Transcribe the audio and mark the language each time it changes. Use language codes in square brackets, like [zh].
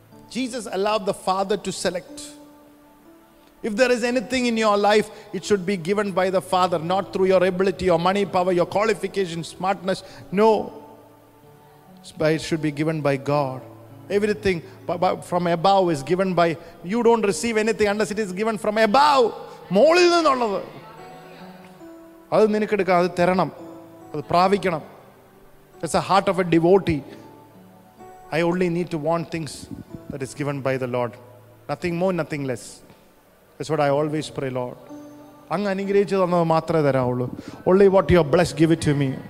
[en] Jesus allowed the Father to select. If there is anything in your life, it should be given by the Father, not through your ability, your money, power, your qualification, smartness. No. It should be given by God. Everything from above is given by, you don't receive anything unless it is given from above. [ml] മോളിൽ നിന്നുള്ളത്. അത് നിനക്ക് എടുക്കാം, അത് തരണം, അത് പ്രാപിക്കണം. [en] That's a heart of a devotee. I only need to want things that is given by the Lord. Nothing more, nothing less. That's what I always pray, Lord. [ml] Anga anigrehichu thannad mathrame tharavullu. [en] Only what you have blessed, give it to me.